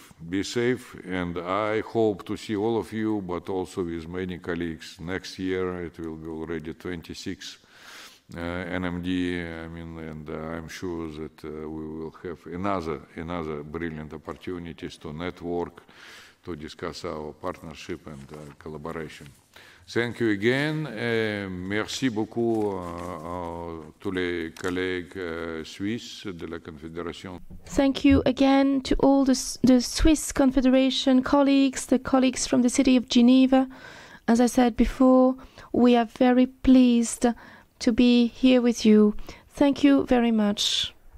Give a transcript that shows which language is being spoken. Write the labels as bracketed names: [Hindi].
[English] Be safe, and I hope to see all of you, but also with many colleagues next year. It will be already 26 NMD, I mean, and I'm sure that we will have another brilliant opportunities to network, to discuss our partnership and collaboration. Thank you again. [French] Merci beaucoup [English] to [French] les collègues suisses de la Confédération. [English] Thank you again to all the Swiss Confederation colleagues, the colleagues from the city of Geneva. As I said before, we are very pleased to be here with you. Thank you very much.